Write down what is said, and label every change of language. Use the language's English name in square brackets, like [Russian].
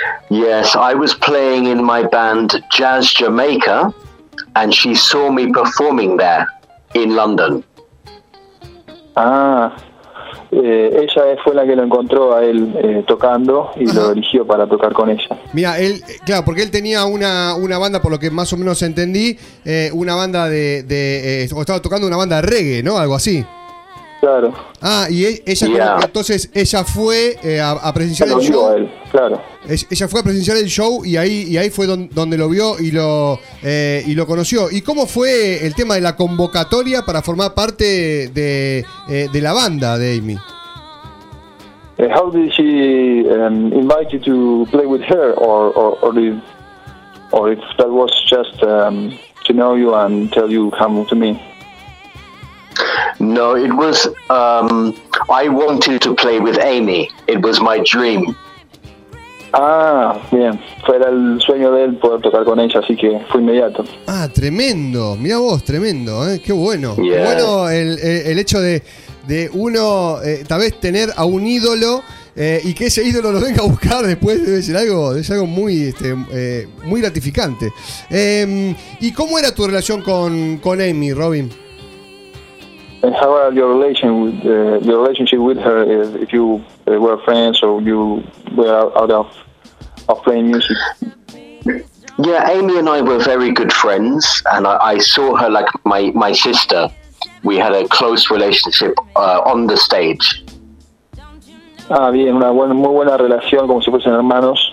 [English] Yes, I was playing in my band Jazz Jamaica, and she saw me performing there in London. [Spanish] Ah, ella fue la que lo encontró a él tocando y lo eligió para tocar con ella. Mira, él, claro, porque él tenía una banda, por lo que más o menos entendí, una banda o estaba tocando una banda de reggae, ¿no? Algo así. Claro. Ah, y ella, yeah, como, entonces ella fue a presenciar el show. A él, claro. Ella fue a presenciar el show y ahí fue donde lo vio y lo conoció. ¿Y cómo fue el tema de la convocatoria para formar parte de la banda de Amy? [English] How did she invite you to play with her or if that was just to know you and tell you come to me? No, it was I wanted to play with Amy. It was my dream. [Spanish] Ah, bien. Fue el sueño de él poder tocar con ella, así que fue inmediato. Ah, tremendo. Mirá vos, tremendo, ¿eh? Qué bueno. [English] Yeah. [Spanish] Bueno, el hecho de uno tal vez tener a un ídolo y que ese ídolo lo venga a buscar después debe ser algo, muy muy gratificante. ¿Y cómo era tu relación con Amy, Robin? [English] And how are your relationship with her? If you were friends or you were out of playing music? Yeah, Amy and I were very good friends, and I saw her like my sister. We had a close relationship on the stage. [Spanish] Ah, bien, una buena, muy buena relación, como si fuesen hermanos.